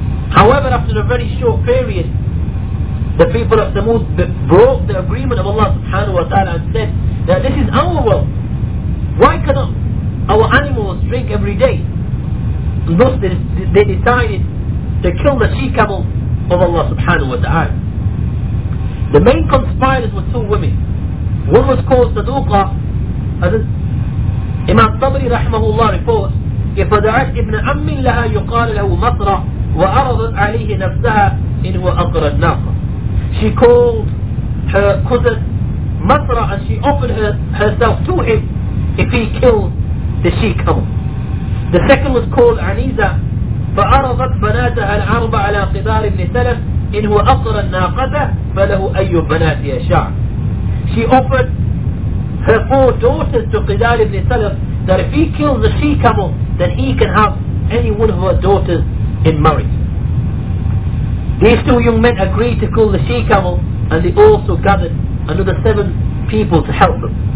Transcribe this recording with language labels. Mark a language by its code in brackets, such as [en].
[en] However, after a very short period, the people of Thamud broke the agreement of Allah subhanahu wa ta'ala and said that this is our well. Why cannot our animals drink every day? And thus they decided to kill the she-camel of Allah subhanahu wa ta'ala. The main conspirators were two women. One was called Saduqa. As Imam Tabari rahimahullah reports, [ar] فدعت ابن عم لها يقال له مصرة وعرضت عليه نفسها إن هو أقرى الناقة. [en] She called her cousin مصرة, and she offered herself to him if he killed the she-camel. The second was called [ar] عنيزة, فعرضت بناتها الأربع على قدار ابن سلف إن هو أقرى الناقة فله أي بنات يشاء. [en] She offered her four daughters to قدار ابن سلف that if he kills the she-camel, then he can have any one of her daughters in marriage. These two young men agreed to kill the she-camel, and they also gathered another seven people to help them.